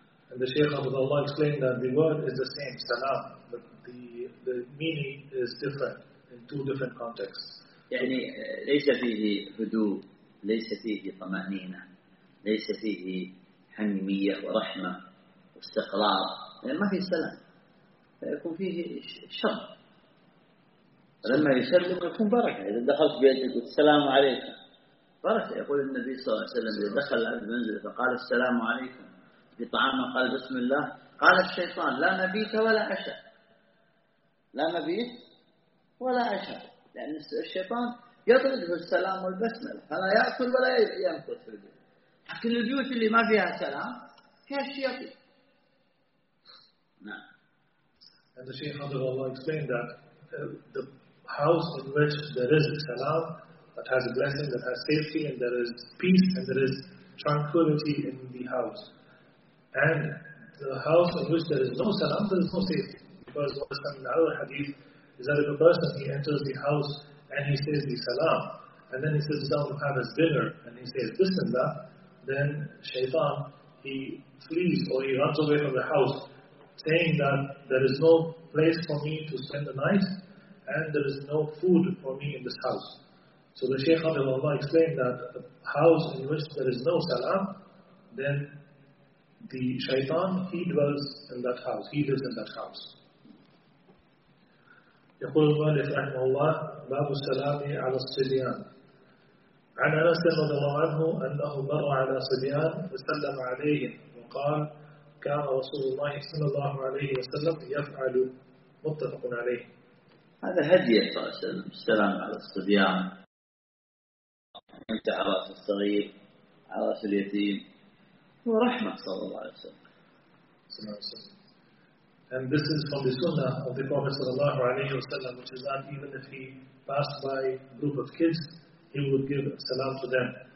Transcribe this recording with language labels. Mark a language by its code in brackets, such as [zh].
[en] And the Shaykh of Allah explained that the word is the same, salam, but the meaning is different in two different contexts. [ar] يعني ليس فيه هدوء, ليس فيه طمأنينة, ليس فيه حميمية ورحمة واستقرار, لأن ما في سلام فيكون فيه شر. لما يسلم يكون بركة. إذا دخلت بيتك السلام عليكم بركة. يقول النبي صلى الله عليه وسلم إذا دخل العبد منزل فقال السلام عليكم بطعام قال بسم الله قال الشيطان لا مبيت ولا عشاء. لا مبيت ولا عشاء, لأن الشيطان يطرده السلام والبسملة، فلا يأكل ولا يمكث في البيت. لكن البيوت اللي ما فيها سلام فيها الشياطين. نعم. [en] And the Shaykh Hadith Allah explained that the house in which there is salam, that has a blessing, that has safety, and there is peace, and there is tranquility in the house. And the house in which there is no salam, there is no safety. Because what is said in the other hadith is that if a person, he enters the house and he says the salam, and then he sits down to have his dinner, and he says this and that, then shaitan, he flees or he runs away from the house, saying that there is no place for me to spend the night, and there is no food for me in this house. So the Shaykh of Allah explained that a house in which there is no salam, then the shaitan, he dwells in that house, he lives in that house. [ar] يقول المؤلف رحمه الله باب السلام على الصبيان. عن أنس رضي الله عنه أنه مر على صبيان وسلم عليهم وقال كان رسول الله صلى الله عليه وسلم يفعل. متفق عليه. هذا هدي صلى الله عليه وسلم، السلام على الصبيان، أنت على رأس الصغير، على رأس اليتيم، ورحمة صلى الله عليه وسلم. [en] And this is from the sunnah of the Prophet [ar] sallallahu alayhi wa sallam, [en] which is that even if he passed by a group of kids, he would give salam to them.